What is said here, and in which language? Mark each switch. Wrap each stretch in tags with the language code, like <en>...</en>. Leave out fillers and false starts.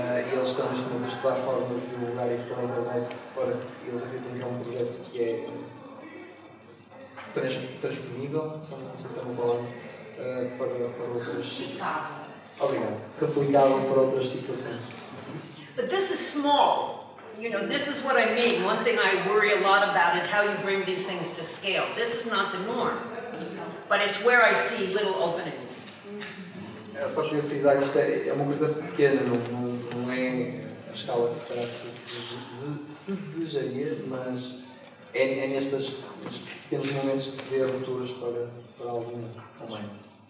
<pt>E eles estão neste momento a estudar forma de divulgar isso pela internet, para que eles acreditem que é um projeto que é transponível, não sei se é uma palavra, para outras situações. Obrigado. Replicável para outras situações.</pt> <en>But this is small. You know, this is what I mean. One thing I worry a lot about is how you bring these things to scale. This is not the norm. But it's where I see little openings.</en> <pt>É só queria frisar que isto é uma coisa pequena, não é a escala que se desejaria, mas é nestas pequenos momentos que se vê aberturas para algum momento.</pt>